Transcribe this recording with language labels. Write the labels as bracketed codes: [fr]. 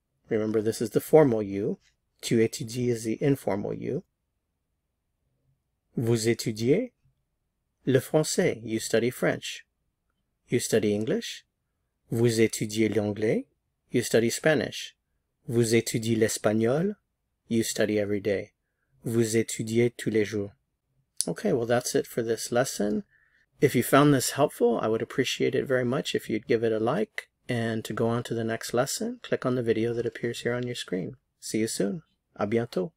[en] Remember, this is the formal you. [fr] Tu étudies [en] is the informal you. [fr] Vous étudiez le français. [en] You study French. You study English. [fr] Vous étudiez l'anglais. [en] You study Spanish. [fr] Vous étudiez l'espagnol. [en] You study every day. [fr] Vous étudiez tous les jours. [en] Okay, well, that's it for this lesson. If you found this helpful, I would appreciate it very much if you'd give it a like. And to go on to the next lesson, click on the video that appears here on your screen. See you soon. [fr] À bientôt.